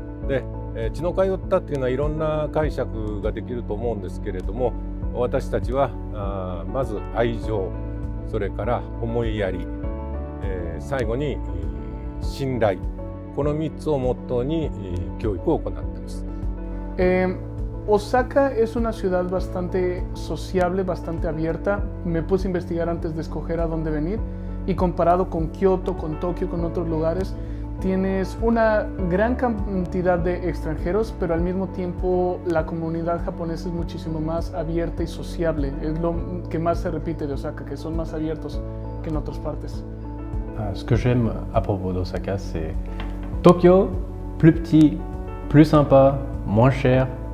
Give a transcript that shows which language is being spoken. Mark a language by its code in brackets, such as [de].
[ja] で、血の通ったというのはいろんな解釈ができると思うんですけれども、私たちはまず愛情、それから思いやり、最後に信頼、この3つをモットーに教育を行っています。 [es] Osaka es una ciudad bastante sociable, bastante abierta. Me puse a investigar antes de escoger a dónde venir y comparado con Kyoto, con Tokio, con otros lugares, tienes una gran cantidad de extranjeros, pero al mismo tiempo la comunidad japonesa es muchísimo más abierta y sociable. Es lo que más se repite de Osaka, que son más abiertos que en otras partes. [fr] Ce que j'aime à propos d'Osaka, c'est Tokyo, plus petit, plus sympa, moins cher.